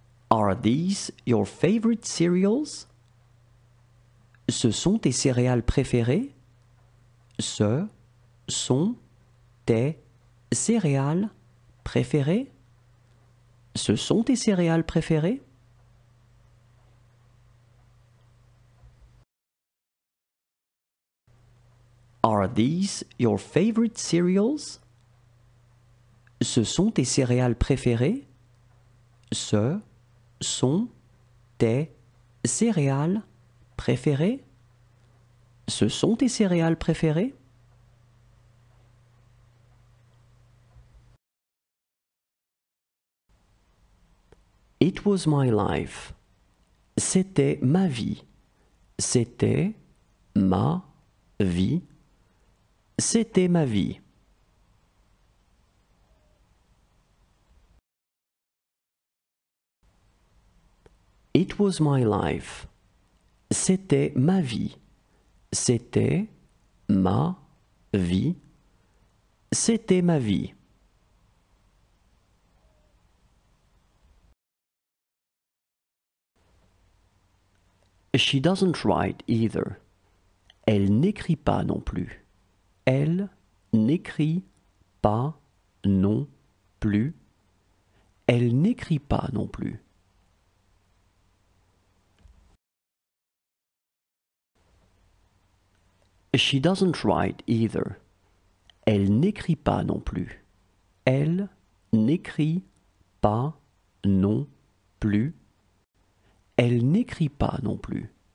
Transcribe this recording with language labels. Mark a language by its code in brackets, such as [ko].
[en] Are these your favorite cereals? [fr] Ce sont tes céréales préférées? Ce sont tes céréales préférées? Ce sont tes céréales préférées? [en] Are these your favorite cereals? [fr] Ce sont tes céréales préférées? Ce sont tes céréales préférées? Ce sont tes céréales préférées? [en] It was my life. [fr] C'était ma vie. C'était ma vie. C'était ma vie. [en] It was my life. [fr] C'était ma vie. C'était ma vie. C'était ma vie. [en] She doesn't write either. [fr] Elle n'écrit pas non plus. Elle n'écrit pas non plus. Elle n'écrit pas non plus. [en] She doesn't write either. [fr] Elle n'écrit pas non plus. Elle n'écrit pas non plus. Elle n'écrit pas non plus.